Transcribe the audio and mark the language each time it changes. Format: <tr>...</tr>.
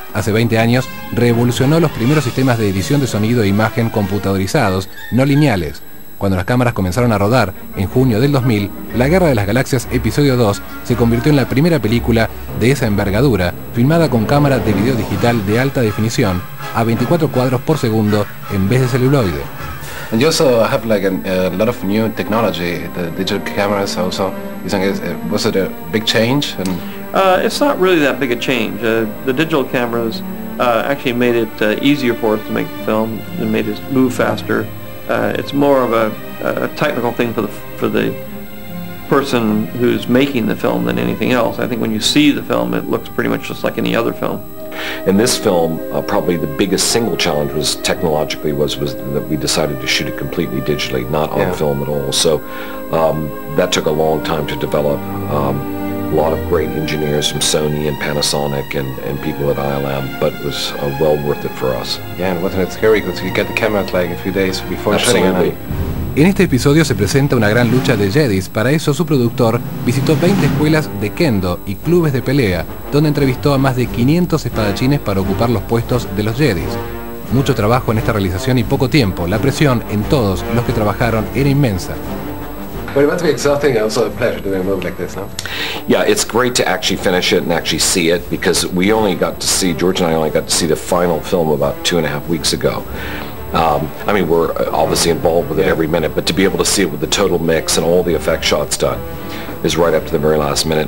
<es>Hace 20 años, revolucionó los primeros sistemas de edición de sonido e imagen computadorizados, no lineales. Cuando las cámaras comenzaron a rodar, en junio del 2000, La Guerra de las Galaxias Episodio 2 se convirtió en la primera película de esa envergadura, filmada con cámara de video digital de alta definición, a 24 cuadros por segundo en vez de celuloide.</es> <en>And you also have like a lot of new technology, the digital cameras also. You think was it a big change? And it's not really that big a change. The digital cameras actually made it easier for us to make the film and made us move faster. It's more of a technical thing for the person who's making the film than anything else. I think when you see the film, it looks pretty much just like any other film. In this film, probably the biggest single challenge was technologically that we decided to shoot it completely digitally, not on film at all. So that took a long time to develop. lot of great engineers from Sony and Panasonic and people at ILM, but it was well worth it for us. Yeah, and wasn't it scary because you get the camera like a few days before shooting it?</en> <es>En este episodio se presenta una gran lucha de Jedis. Para eso su productor visitó 20 escuelas de Kendo y clubes de pelea, donde entrevistó a más de 500 espadachines para ocupar los puestos de los Jedis. Mucho trabajo en esta realización y poco tiempo. La presión en todos los que trabajaron era inmensa.</es> <en>But it must be exhausting. It's a pleasure doing a movie like this, no? Yeah, it's great to actually finish it and actually see it, because we only got to see, George and I only got to see the final film about 2.5 weeks ago. I mean, we're obviously involved with it every minute, but to be able to see it with the total mix and all the effect shots done is right up to the very last minute.</en>